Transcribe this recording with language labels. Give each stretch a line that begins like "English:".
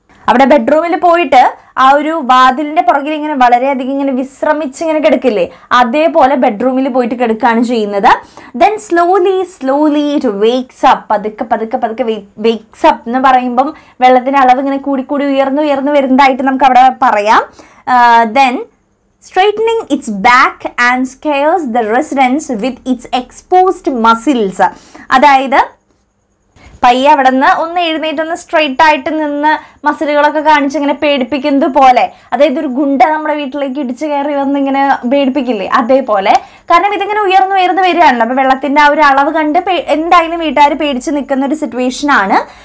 Malayalam: അവിടെ ബെഡ്റൂമിൽ പോയിട്ട് ആ ഒരു വാതിലിൻ്റെ പുറകിൽ ഇങ്ങനെ വളരെയധികം ഇങ്ങനെ വിശ്രമിച്ച് ഇങ്ങനെ കിടക്കില്ലേ, അതേപോലെ ബെഡ്റൂമിൽ പോയിട്ട് കിടക്കുകയാണ് ചെയ്യുന്നത്.
English: Then slowly slowly it wakes up.
Malayalam: പതുക്കെ പതുക്കെ പതുക്കെ വേക്സ് അപ്പ് എന്ന് പറയുമ്പം വെള്ളത്തിൻ്റെ അളവ് ഇങ്ങനെ കൂടിക്കൂടി ഉയർന്നു ഉയർന്നു വരുന്നതായിട്ട് നമുക്ക് അവിടെ പറയാം.
English: Then straightening its back and scares the residents with its exposed muscles.
Malayalam: അതായത് പയ്യ അവിടെ നിന്ന് ഒന്ന് എഴുന്നേറ്റ് ഒന്ന് സ്ട്രെയിറ്റ് ആയിട്ട് നിന്ന് മസിലുകളൊക്കെ കാണിച്ച് ഇങ്ങനെ പേടിപ്പിക്കുന്നത് പോലെ, അതായത് ഒരു ഗുണ്ട നമ്മുടെ വീട്ടിലേക്ക് ഇടിച്ചു കയറി വന്ന് ഇങ്ങനെ പേടിപ്പിക്കില്ലേ, അതേപോലെ. കാരണം ഇതിങ്ങനെ ഉയർന്നു ഉയർന്ന് വരികയാണല്ലോ, അപ്പൊ വെള്ളത്തിന്റെ ആ ഒരു അളവ് കണ്ട് എന്തായാലും വീട്ടുകാർ പേടിച്ച് നിൽക്കുന്ന ഒരു സിറ്റുവേഷൻ ആണ്.